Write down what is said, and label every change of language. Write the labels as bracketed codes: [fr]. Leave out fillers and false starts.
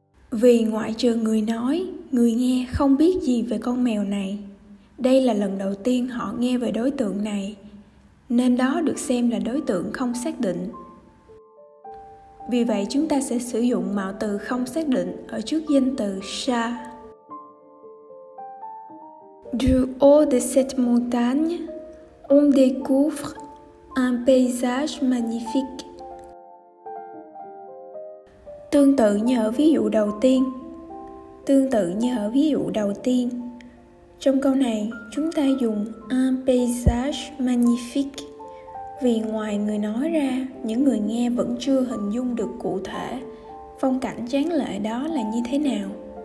[vi] Vì ngoại trừ người nói, người nghe không biết gì về con mèo này. Đây là lần đầu tiên họ nghe về đối tượng này, nên đó được xem là đối tượng không xác định. Vì vậy chúng ta sẽ sử dụng mạo từ không xác định ở trước danh từ xa. [fr] Du haut de cette montagne, on découvre un paysage magnifique. [vi] Tương tự như ở ví dụ đầu tiên. Trong câu này, chúng ta dùng [fr] un paysage magnifique [vi] vì ngoài người nói ra, những người nghe vẫn chưa hình dung được cụ thể phong cảnh tráng lệ đó là như thế nào.